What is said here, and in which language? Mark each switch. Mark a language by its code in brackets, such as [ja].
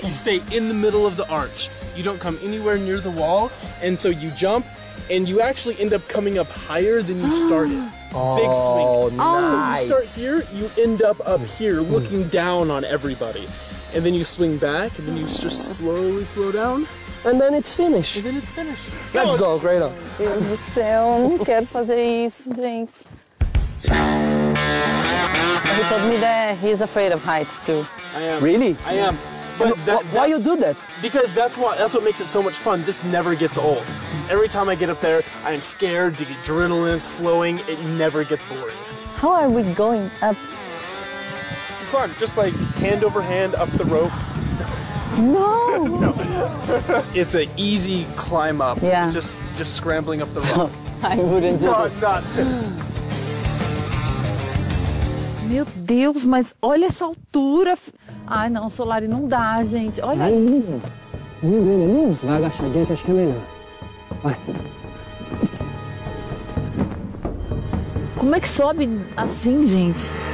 [en] You stay in the middle of the arch. You don't come anywhere near the wall. And so you jump, and you actually end up coming up higher than you started. Oh, big swing. Oh, nice. So you start here, you end up here, looking down on everybody. And then you swing back, and then you just slow down. And then it's finished. And then it's finished. Let's go, Grado. [pt] Deus do céu, não quero fazer isso, gente. [en] He told me that he's afraid of heights too. I am. Really? I am. But why you do that? Because that's what makes it so much fun. This never gets old. Every time I get up there, I am scared. The adrenaline is flowing. It never gets boring. How are we going up? Fun. Just like hand over hand up the rope. No. No. It's an easy climb up. Yeah. Just scrambling up the rope. I wouldn't do it. Not this. [pt] Meu Deus, mas olha essa altura. Ai, não, Solari, não dá, gente. Olha isso. Beleza. Vai agachadinha que acho que é melhor. Vai. Como é que sobe assim, gente?